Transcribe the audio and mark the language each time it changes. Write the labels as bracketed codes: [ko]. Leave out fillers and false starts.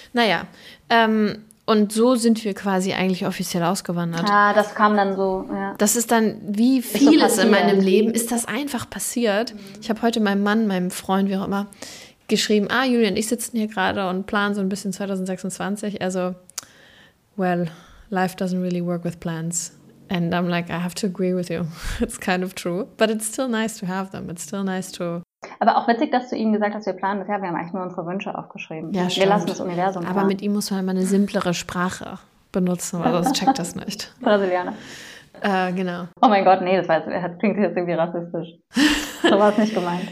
[de] Naja, und so sind wir quasi eigentlich offiziell ausgewandert. Ja, das kam dann so, ja. Das ist dann, wie vieles so in meinem Leben, ist das einfach passiert. Mhm. Ich habe heute meinem Mann, meinem Freund, wie auch immer, geschrieben, Julian und ich sitzen hier gerade und planen so ein bisschen 2026. [en] Also, well, life doesn't really work with plans. And I'm like, I have to agree with you. It's kind of true. But it's still nice to have them. It's still nice to... [de] Aber auch witzig, dass du ihm gesagt hast, wir planen das. Ja, wir haben eigentlich nur unsere Wünsche aufgeschrieben. Ja, wir stimmt. lassen das Universum Aber fahren. Mit ihm muss man immer eine simplere Sprache benutzen, weil sonst checkt das nicht. Brasilianer. Genau. Oh mein Gott, nee, das klingt jetzt irgendwie rassistisch. So war es nicht gemeint.